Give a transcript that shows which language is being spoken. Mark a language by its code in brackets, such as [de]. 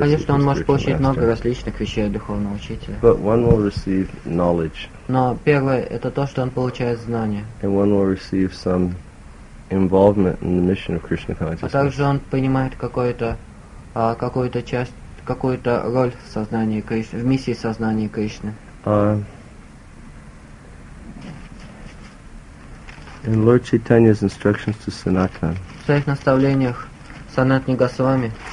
[ru] Конечно, он может получить много различных вещей от духовного учителя. [en] But one will receive knowledge. [ru] Но первое это то, что он получает знания. [en] And one will receive some involvement in the mission of Krishna consciousness. [ru] А также он понимает какую-то роль в сознании Кришны, в миссии сознания Кришны. [en] In Lord Chaitanya's instructions to Sanatan. [ru] В своих наставлениях Санатни Госвами.